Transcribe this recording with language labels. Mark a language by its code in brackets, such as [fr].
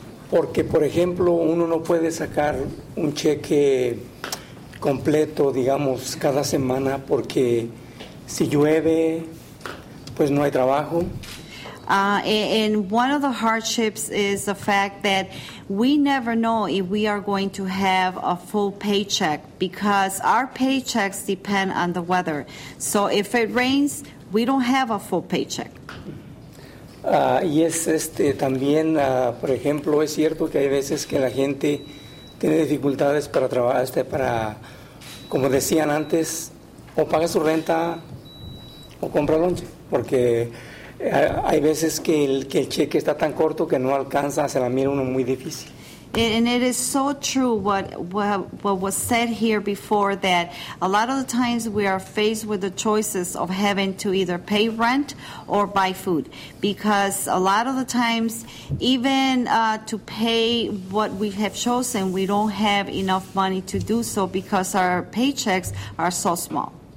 [es] Porque, por ejemplo, uno no puede sacar un cheque completo, digamos, cada semana, porque si llueve, pues no hay trabajo. [en] And one of the hardships is the fact that we never know if we are going to have a full paycheck because our paychecks depend on the weather. So if it rains, we don't have a full paycheck. [es] También, por ejemplo, es cierto que hay veces que la gente tiene dificultades para trabajar, como decían antes, o paga su renta o compra lonche, porque hay veces que el cheque está tan corto que no alcanza, se la mira uno muy difícil. [en] And it is so true what was said here before, that a lot of the times we are faced with the choices of having to either pay rent or buy food. Because a lot of the times, even to pay what we have chosen, we don't have enough money to do so because our paychecks are so small.